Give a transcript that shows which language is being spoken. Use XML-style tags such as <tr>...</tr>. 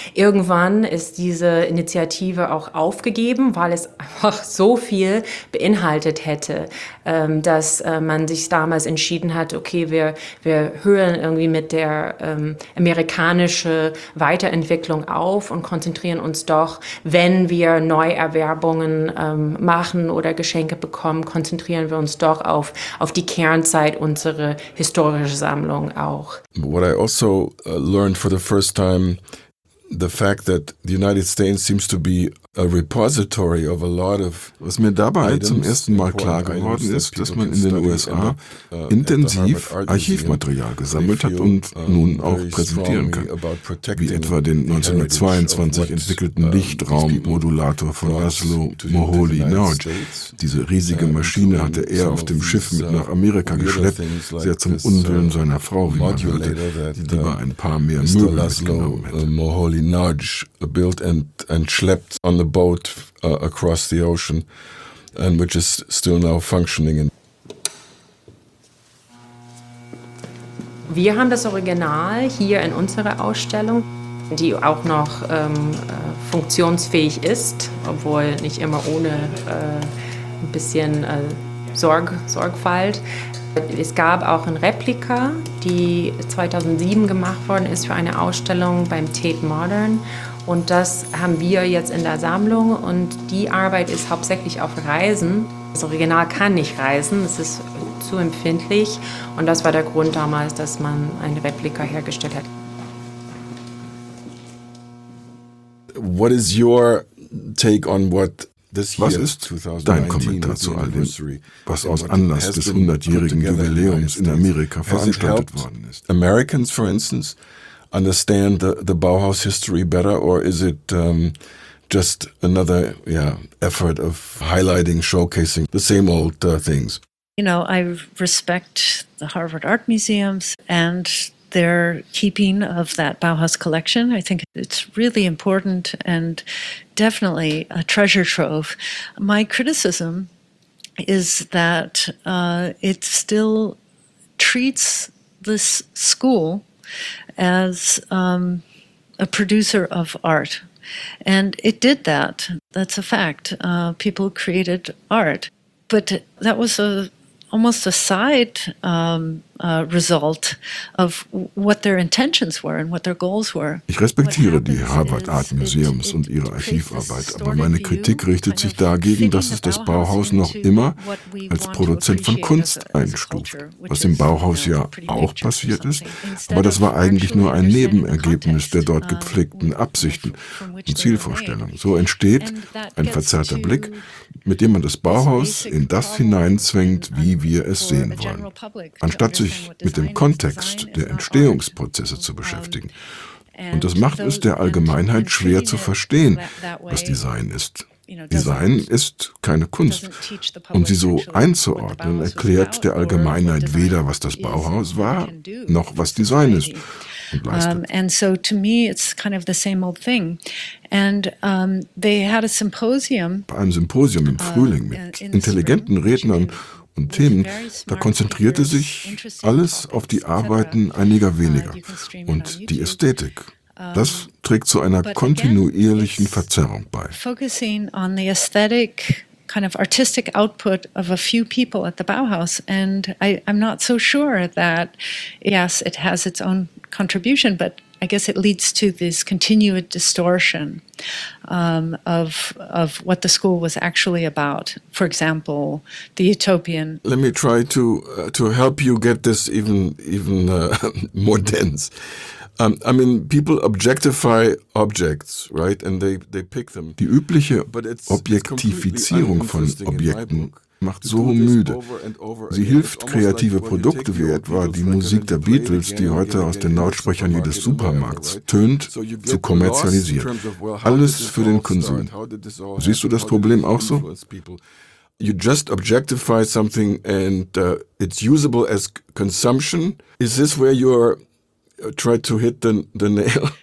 <de>Irgendwann ist diese Initiative auch aufgegeben, weil es einfach so viel beinhaltet hätte, dass man sich damals entschieden hat, okay, wir hören irgendwie mit der amerikanische Weiterentwicklung auf und konzentrieren uns doch, wenn wir Neuerwerbungen machen oder Geschenke bekommen, konzentrieren wir uns doch auf die Kernzeit und unsere historische Sammlung auch.</de> <en>What I also learned for the first time, the fact that the United States seems to be a repository of a lot of.</en> <de>Was mir dabei zum ersten Mal klar geworden ist, dass man in den USA intensiv Archivmaterial gesammelt hat und nun auch präsentieren kann, wie etwa den 1922 entwickelten Lichtraummodulator von Laszlo Moholy Nagy. Diese riesige Maschine hatte er auf dem Schiff mit nach Amerika geschleppt, sehr zum Unwillen seiner Frau, wie man hörte, die lieber ein paar mehr Möbel mitgenommen hätte. Nudge built and schlepped on the boat across the ocean, and which is still now functioning. Wir haben das Original hier in unserer Ausstellung, die auch noch funktionsfähig ist, obwohl nicht immer ohne ein bisschen Sorgfalt. Es gab auch eine Replika, die 2007 gemacht worden ist für eine Ausstellung beim Tate Modern. Und das haben wir jetzt in der Sammlung. Und die Arbeit ist hauptsächlich auf Reisen. Das Original kann nicht reisen, es ist zu empfindlich. Und das war der Grund damals, dass man eine Replika hergestellt hat.</de> <en>What is your take on what</en> <de>Was ist dein Kommentar zu all dem, was aus Anlass des 100-jährigen Jubiläums in Amerika veranstaltet worden ist?</de> <en>Americans, for instance, understand the Bauhaus history better, or is it just another effort of highlighting, showcasing the same old things? You know, I respect the Harvard Art Museums and their keeping of that Bauhaus collection. I think it's really important and definitely a treasure trove. My criticism is that it still treats this school as a producer of art. And it did that. That's a fact. People created art. But that was almost a side result of what their intentions were and what their goals were.</en> <de>Ich respektiere die Harvard Art Museums und ihre Archivarbeit, aber meine Kritik richtet sich dagegen, dass es das Bauhaus noch immer als Produzent von Kunst einstuft, was im Bauhaus ja auch passiert ist, aber das war eigentlich nur ein Nebenergebnis der dort gepflegten Absichten und Zielvorstellungen. So entsteht ein verzerrter Blick, mit dem man das Bauhaus in das hineinzwängt, wie wir es sehen wollen. Anstatt sich mit dem Kontext der Entstehungsprozesse zu beschäftigen. Und das macht es der Allgemeinheit schwer zu verstehen, was Design ist. Design ist keine Kunst. Und sie so einzuordnen, erklärt der Allgemeinheit weder, was das Bauhaus war, noch was Design ist.</de> <en>And so to me it's kind of the same old thing. And they had a symposium.</en> <de>Bei einem Symposium im Frühling mit intelligenten Rednern und Themen, da konzentrierte sich alles auf die Arbeiten einiger weniger und die Ästhetik. Das trägt zu einer kontinuierlichen Verzerrung bei.</de> <en>Focusing on the aesthetic kind of artistic output of a few people at the Bauhaus, and I'm not so sure that yes, it has its own contribution, but I guess it leads to this continued distortion of what the school was actually about. For example, the utopian. Let me try to help you get this even more dense. I mean, people objectify objects, right? And they pick them.</en> <de>Die übliche Objektifizierung von Objekten macht so müde. Sie hilft kreative Produkte wie etwa die Musik der Beatles, die heute aus den Lautsprechern jedes Supermarkts tönt, zu kommerzialisieren. Alles für den Konsum. Siehst du das Problem auch so?</de> <en>You just objectify something and it's usable as consumption. Is this where you're trying to hit the nail?</en>